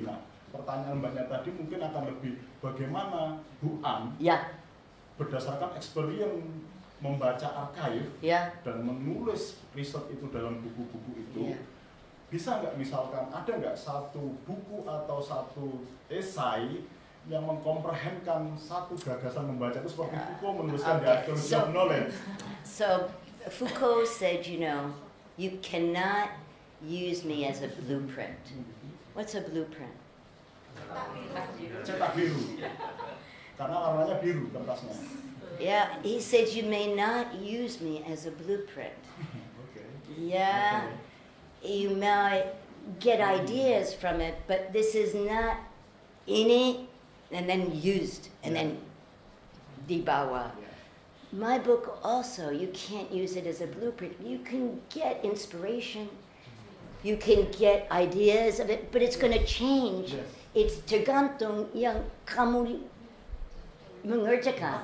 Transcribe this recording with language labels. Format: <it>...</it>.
<id>Nah, pertanyaan banyak tadi mungkin akan lebih bagaimana Bu An berdasarkan experience membaca arkaif dan menulis riset itu dalam buku-buku itu. Bisa nggak misalkan ada nggak satu buku atau satu esai yang mengkomprehenkan satu gagasan membaca itu seperti Foucault menuliskan di Archaeology of Knowledge.</id> <en>So Foucault said, you know, you cannot use me as a blueprint. What's a blueprint?</en> <id>Cetak biru. Karena warnanya biru kertasnya.</id> <en>Yeah, he said you may not use me as a blueprint. Okay. Yeah. Okay. You might get ideas from it, but this is not in it and then used and then dibawa. Yeah. My book also, you can't use it as a blueprint. You can get inspiration, you can get ideas of it, but it's going to change. Yes.</en> <id>It's tergantung yang kamu mengerjakan.</id>